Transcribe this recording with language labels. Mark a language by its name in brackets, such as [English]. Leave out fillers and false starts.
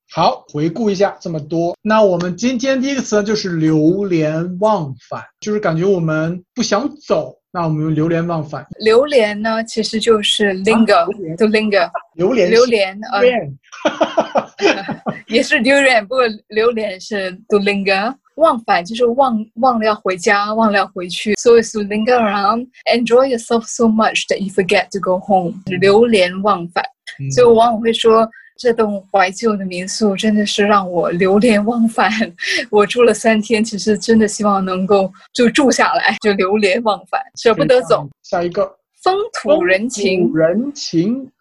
[Chinese] 好，回顾一下这么多，那我们今天第一个词就是流连忘返，就是感觉我们不想走，那我们用流连忘返。流连呢，其实就是 linger， 就 linger。榴莲，榴莲，也是 durian， 不过榴莲是 to linger。忘返就是忘了要回家，忘了要回去。 [English] So it's to linger around, enjoy yourself so much that you forget to go home。 [Chinese] 流连忘返，所以我往往会说。这栋怀旧的民宿真的是让我流连忘返，我住了三天，其实真的希望能够就住下来，就流连忘返，舍不得走。下一个，风土人情。风土人情，